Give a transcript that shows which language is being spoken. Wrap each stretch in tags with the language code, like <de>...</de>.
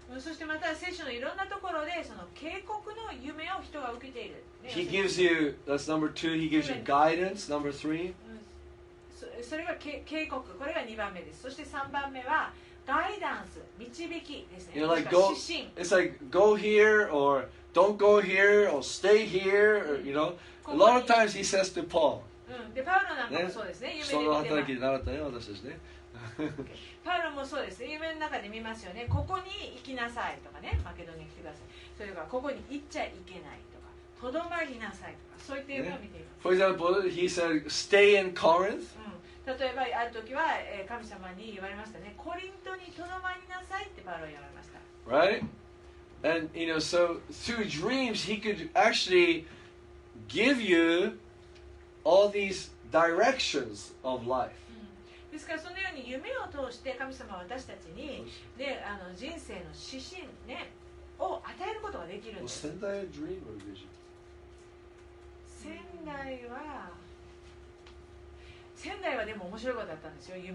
<ja>そしてまた聖書のいろんなところでその警告の夢を人が受けている。</ja> <en>He gives you, that's number two, he gives you guidance, number three.</en> <ja>それが警告、これが2番目です。そして3番目はガイダンス、導きですね。指針。</ja> <en>It's like go here or don't go here or stay here, or, you know. A lot of times he says to Paul.</en> <ja>で、パウロなんかもそうですね。夢で見てます。その働きで習ったね、私たちね。パウロもそうです。夢の中で見ますよね。ここに行きなさいとかね、マケドニアに来てください。それからここに行っちゃいけないとか、とどまりなさいとか、そういった夢を見ています。</ja> <en>For example, he said, stay in Corinth.</en> <ja>例えばある時は神様に言われましたね。コリントにとどまりなさいってパウロは言われました。</ja> <en>Right? And you know, so through dreams he could actually give you all these directions of life.</en> <ja>ですからそのように夢を通して神様は私たちに、ね、あの人生の指針、ね、を与えることができるんです。</ja> <en>Well,</en> <ja>仙台は</ja> <en>dream or vision?</en> <ja>仙台は仙台はでも面白いことだったんですよ。</ja>